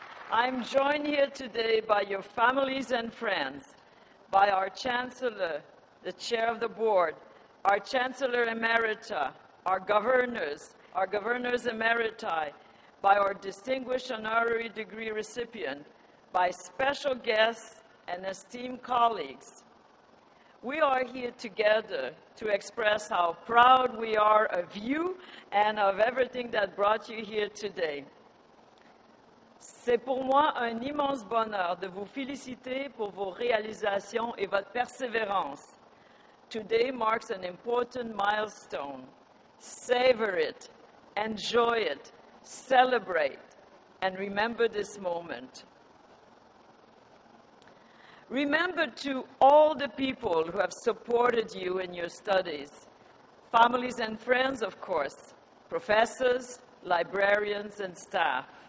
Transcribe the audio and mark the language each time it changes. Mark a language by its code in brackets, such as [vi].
[en] I'm joined here today by your families and friends, by our Chancellor, the Chair of the Board, our Chancellor Emerita, our Governors Emeriti, by our distinguished honorary degree recipient, by special guests, and esteemed colleagues. We are here together to express how proud we are of you and of everything that brought you here today. [fr] C'est pour moi un immense bonheur de vous féliciter pour vos réalisations et votre persévérance. [en] Today marks an important milestone. Savor it, enjoy it, celebrate, and remember this moment. Remember to all the people who have supported you in your studies, families and friends, of course, professors, librarians, and staff.